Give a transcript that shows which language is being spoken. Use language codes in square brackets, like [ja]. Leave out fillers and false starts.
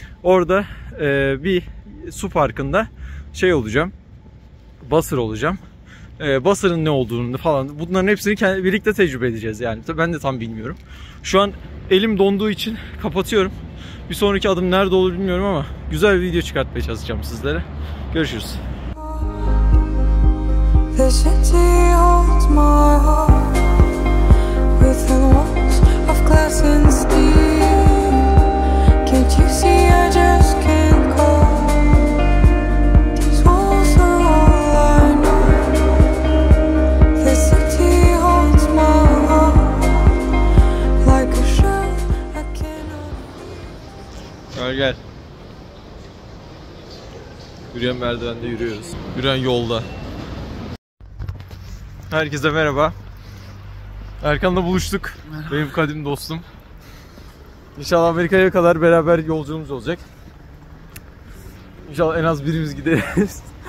[tr] Orada bir su parkında şey olacağım. Buzzer olacağım. Buzzer'ın ne olduğunu falan, bunların hepsini birlikte tecrübe edeceğiz yani. Tabii ben de tam bilmiyorum. Şu an elim donduğu için kapatıyorum. Bir sonraki adım nerede olur bilmiyorum ama güzel bir video çıkartmaya çalışacağım sizlere. Görüşürüz. [en] The city holds my heart within walls of glass and steel. Can't you see I just can't go? These walls are all I know. The city holds my heart like a shell I cannot. [tr] Gel gel. Yürüyen merdivende yürüyoruz. Yürüyen yolda. Herkese merhaba. Erkan'la buluştuk. Merhaba. Benim kadim dostum. İnşallah Amerika'ya kadar beraber yolculuğumuz olacak. İnşallah en az birimiz gideriz.